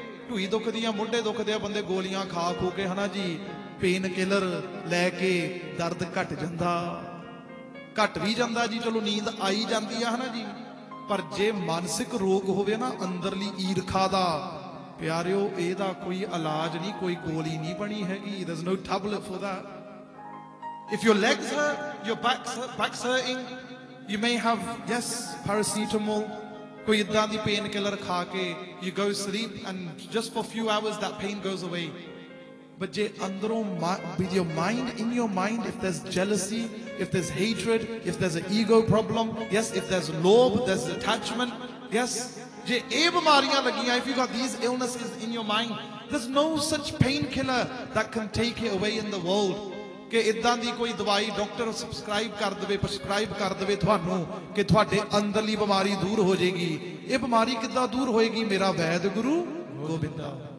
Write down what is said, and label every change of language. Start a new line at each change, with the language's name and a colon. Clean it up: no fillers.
Punjabi: ਢੂਈ ਦੁਖਦੀਆਂ ਮੁੰਡੇ ਦੁਖਦੇ ਆ ਬੰਦੇ ਗੋਲੀਆਂ ਖਾ ਖੂ ਕੇ ਹਨਾ ਜੀ ਪੇਨ ਕਿਲਰ ਲੈ ਕੇ ਦਰਦ ਘਟ ਜਾਂਦਾ ਘਟ ਵੀ ਜਾਂਦਾ ਜੀ ਚਲੋ ਨੀਂਦ ਆਈ ਜਾਂਦੀ ਆ ਹਨਾ ਜੀ ਪਰ ਜੇ ਮਾਨਸਿਕ ਰੋਗ ਹੋਵੇ ਨਾ ਅੰਦਰਲੀ ਈਰਖਾ ਦਾ ਪਿਆਰਿਓ ਇਹਦਾ ਕੋਈ ਇਲਾਜ ਨਹੀਂ ਕੋਈ ਗੋਲੀ ਨਹੀਂ ਬਣੀ ਹੈਗੀ
English: there's no tablet for that if your legs hurt your back's hurting you may have yes paracetamol
Punjabi: ਕੋਈ ਇੱਦਾਂ ਦੀ ਪੇਨ ਕਿਲਰ ਖਾ ਕੇ
English: you go sleep and just for few hours that pain goes away but
Punjabi: ਜੇ ਅੰਦਰੋਂ
English: with your mind in your mind if there's jealousy if there's hatred if there's a ego problem yes if there's ਲੋਭ there's attachment yes
Punjabi: ਜੇ ਇਹ ਬਿਮਾਰੀਆਂ ਲੱਗੀਆਂ
English: if you got these illnesses in your mind there's no such pain killer that can take it away in the world
Punjabi: ਕਿ ਇੱਦਾਂ ਦੀ ਕੋਈ ਦਵਾਈ ਡਾਕਟਰ ਸਬਸਕ੍ਰਾਈਬ ਕਰ ਦੇਵੇ ਪ੍ਰਸਕ੍ਰਾਈਬ ਕਰ ਦੇਵੇ ਤੁਹਾਨੂੰ ਕਿ ਤੁਹਾਡੇ ਅੰਦਰਲੀ ਬਿਮਾਰੀ ਦੂਰ ਹੋ ਜਾਏਗੀ ਇਹ ਬਿਮਾਰੀ ਕਿੱਦਾਂ ਦੂਰ ਹੋਏਗੀ ਮੇਰਾ ਵੈਦ ਗੁਰੂ ਗੋਬਿੰਦਾ